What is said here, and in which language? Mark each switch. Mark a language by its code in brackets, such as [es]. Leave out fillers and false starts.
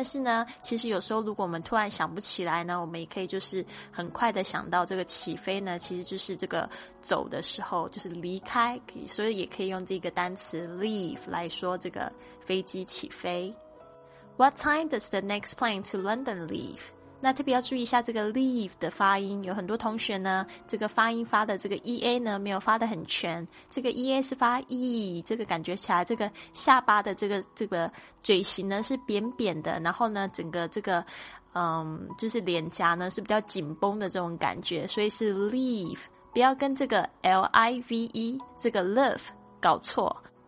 [zh] 但是呢其实有时候如果我们突然想不起来呢，我们也可以就是很快的想到这个起飞呢其实就是这个走的时候就是离开，所以也可以用这个单词 leave 来说这个飞机起飞。 [en] What time does the next plane to London leave? [zh] 那特别要注意一下这个 leave 的发音，有很多同学呢这个发音发的这个 EA 呢没有发得很全，这个 EA 是发 E， 这个感觉起来这个下巴的这个嘴型呢是扁扁的，然后呢整个这个就是脸颊呢是比较紧绷的这种感觉，所以是 leave，不要跟这个 L-I-V-E 这个 love 搞错。